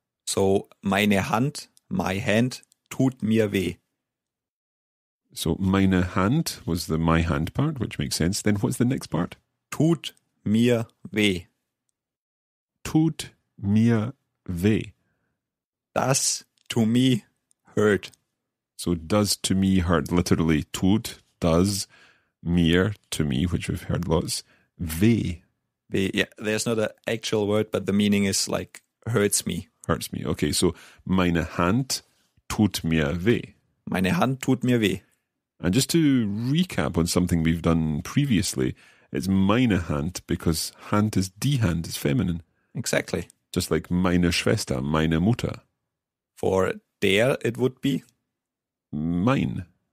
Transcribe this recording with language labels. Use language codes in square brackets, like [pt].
[de] So meine Hand, [en] my hand, [de] tut mir weh. So meine Hand [en] was the my hand part, which makes sense. Then what's the next part? [de] Tut mir weh. Tut mir weh. [en] Das to me hurt. So does to me hurt, literally tut, does, mir, to me, which we've heard lots, weh. Weh, yeah, there's not an actual word, but the meaning is like hurts me. Hurts me, okay, so [de] meine Hand tut mir weh. Meine Hand tut mir weh. [en] And just to recap on something we've done previously, it's [de] meine Hand [en] because Hand is die Hand, it's feminine. Exactly. Just like [de] meine Schwester, meine Mutter. [en] For der, it would be? [de] Mein.